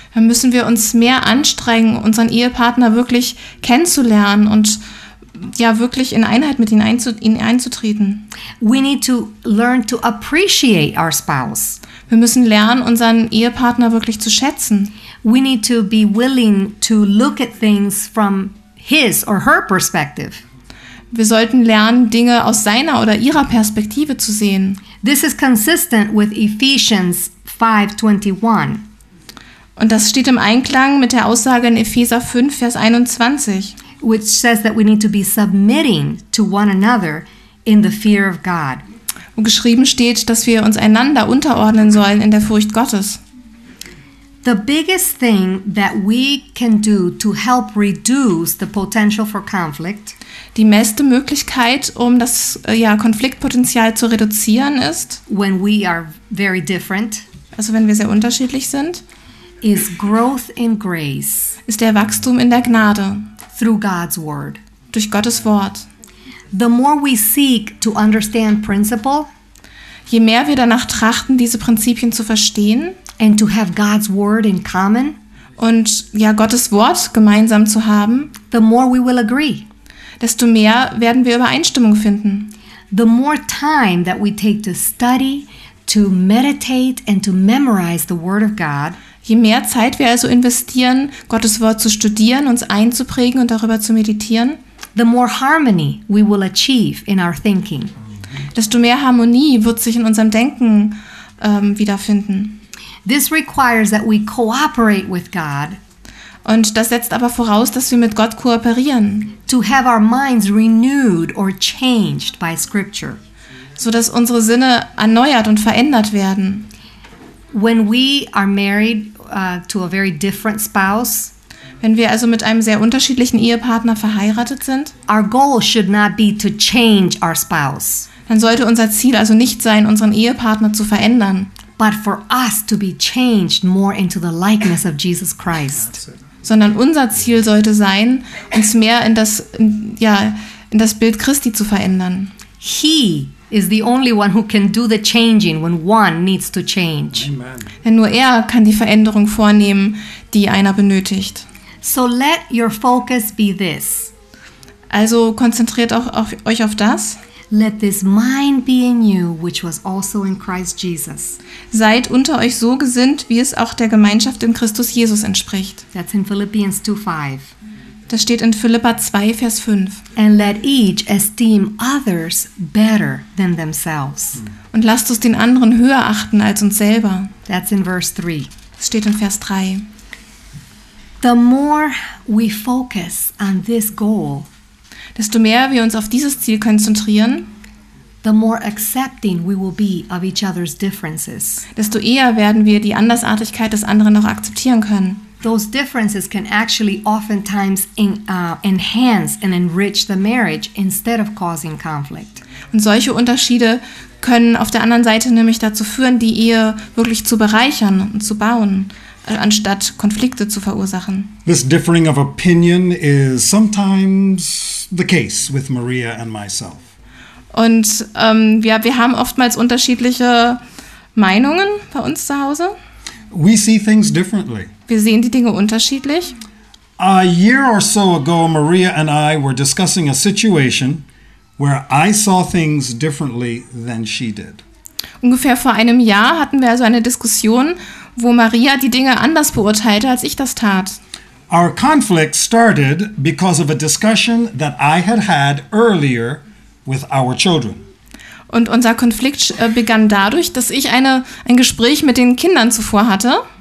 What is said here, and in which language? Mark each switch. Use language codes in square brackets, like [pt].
[de] Dann müssen wir uns mehr anstrengen, unseren Ehepartner wirklich kennenzulernen und ja wirklich in Einheit mit ihm einzutreten. [en] We need to learn to appreciate our spouse. [de] Wir müssen lernen, unseren Ehepartner wirklich zu schätzen. [en] We need to be willing to look at things from his or her perspective. [de] Wir sollten lernen, Dinge aus seiner oder ihrer Perspektive zu sehen. [en] This is consistent with Ephesians 5:21. [de] Und das steht im Einklang mit der Aussage in Epheser 5, Vers 21. [en] Which says that we need to be submitting to one another in the fear of God. [de] Wo geschrieben steht, dass wir uns einander unterordnen sollen in der Furcht Gottes. [en] The biggest thing that we can do to help reduce the potential for conflict. [de] Die beste Möglichkeit, um das Konfliktpotenzial zu reduzieren, ist, [en] when we are very different, [de] also wenn wir sehr unterschiedlich sind, [en] is growth in grace, [de] ist der Wachstum in der Gnade [en] through God's word. [de] Durch Gottes Wort. [en] The more we seek to understand principle, [de] je mehr wir danach trachten, diese Prinzipien zu verstehen [en] and to have God's word in common, [de] und Gottes Wort gemeinsam zu haben, [en] the more we will agree. [de] Desto mehr werden wir Übereinstimmung finden. [en] The more time that we take to study, to meditate and to memorize the word of God, [de] je mehr Zeit wir also investieren, Gottes Wort zu studieren, uns einzuprägen und darüber zu meditieren, [en] the more harmony we will achieve in our thinking. [de] Desto mehr Harmonie wird sich in unserem Denken wiederfinden. [en] This requires that we cooperate with God. [de] Und das setzt aber voraus, dass wir mit Gott kooperieren. [en] To have our minds renewed or changed by scripture. [de] So dass unsere Sinne erneuert und verändert werden. [en] When we are married to a very different spouse, [de] wenn wir also mit einem sehr unterschiedlichen Ehepartner verheiratet sind, [en] our goal should not be to change our spouse. [de] Dann sollte unser Ziel also nicht sein, unseren Ehepartner zu verändern. [en] But for us to be changed more into the likeness of Jesus Christ. [de] Sondern unser Ziel sollte sein, uns mehr in das Bild Christi zu verändern. [en] He is the only one who can do the changing when one needs to change. Amen. [de] Denn nur er kann die Veränderung vornehmen, die einer benötigt. [en] So let your focus be this. [de] Also konzentriert euch auf das. [en] Let this mind be in you, which was also in Christ Jesus. [de] Seid unter euch so gesinnt, wie es auch der Gemeinschaft in Christus Jesus entspricht. [en] That's in Philippians 2:5. [de] Das steht in Philippa 2, Vers 5. [en] And let each esteem others better than themselves. [de] Und lasst uns den anderen höher achten als uns selber. [en] That's in verse 3. [de] Das steht in Vers 3. [en] The more we focus on this goal, [de] desto mehr wir uns auf dieses Ziel konzentrieren, [en] the more accepting we will be of each other's differences. [de] Desto eher werden wir die Andersartigkeit des anderen noch akzeptieren können. [en] Those differences can actually oftentimes enhance and enrich the marriage instead of causing conflict. [de] Und solche Unterschiede können auf der anderen Seite nämlich dazu führen, die Ehe wirklich zu bereichern und zu bauen, anstatt Konflikte zu verursachen. [en] This differing of opinion is sometimes the case with Maria and myself. [de] Und wir haben oftmals unterschiedliche Meinungen bei uns zu Hause. [en] We see things differently. [de] Wir sehen die Dinge unterschiedlich. [en] A year or so ago, Maria and I were discussing a situation where I saw things differently than she did. [de] Ungefähr vor einem Jahr hatten wir also eine Diskussion, wo Maria die Dinge anders beurteilte, als ich das tat. [en] Our conflict started because of a discussion that I had had earlier with our children. [de] Und unser Konflikt begann dadurch, dass ich ein Gespräch mit den Kindern zuvor hatte.